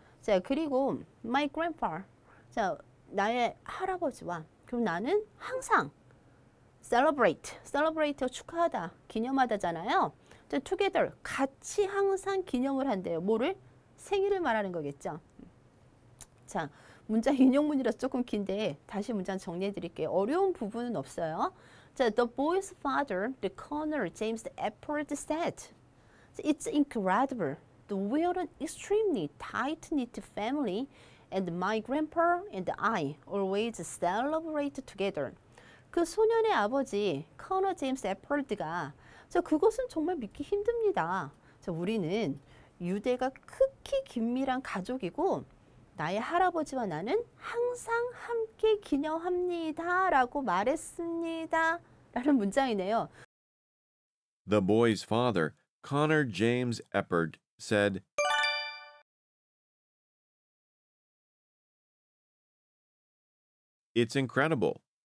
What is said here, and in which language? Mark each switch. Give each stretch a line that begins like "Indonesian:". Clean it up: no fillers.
Korean: 자, 그리고
English: my grandpa,
Korean: 자, 나의 할아버지와 그럼 나는 항상 celebrate 축하하다, 기념하다잖아요. 자,
English: together,
Korean: 같이 항상 기념을 한대요. 뭐를? 생일을 말하는 거겠죠. 자, 문장 인용문이라서 조금 긴데 다시 문장 정리해 드릴게요. 어려운 부분은 없어요.
English: 자, the boy's father, the Colonel James Eppert said, it's incredible. We are an extremely tight-knit family and my grandpa and I always celebrate together.
Korean: 그 소년의 아버지 커너 제임스 애퍼드가 저 그것은 정말 믿기 힘듭니다. 저 우리는 유대가 극히 긴밀한 가족이고 나의 할아버지와 나는 항상 함께 기념합니다. 라고 말했습니다. 라는 문장이네요.
English: The boy's father, Connor James Eppard, said, It's incredible.